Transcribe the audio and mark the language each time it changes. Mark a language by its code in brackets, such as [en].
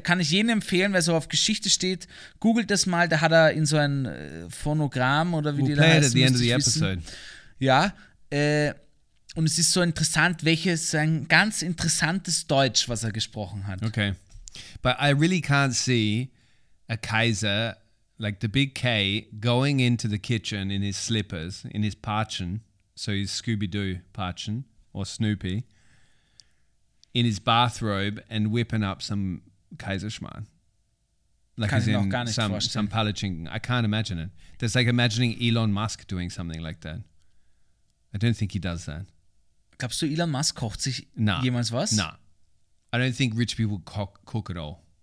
[de] Kann ich jedem empfehlen, wer so auf Geschichte steht, googelt das mal, da hat er in so ein Phonogramm oder wie [en] we'll [de] die da [en] play [de] heißt. [en] At the end of the episode. Wissen. [de] Ja, und es ist so interessant, welches ein ganz interessantes Deutsch, was er gesprochen hat. [en] Okay. But I really can't see a Kaiser, like the big K, going into the kitchen in his slippers, in his Patschen, so his Scooby-Doo Patschen or Snoopy, in his bathrobe and whipping up some Kaiserschmarrn. Like [de] kann ich mir auch gar nicht vorstellen. [en] Some Palatschinken. I can't imagine it. That's like imagining Elon Musk doing something like that. I don't think he does that. [de] Glaubst du, Elon Musk kocht sich jemals was? [en] Nah. I don't think rich people cook at all.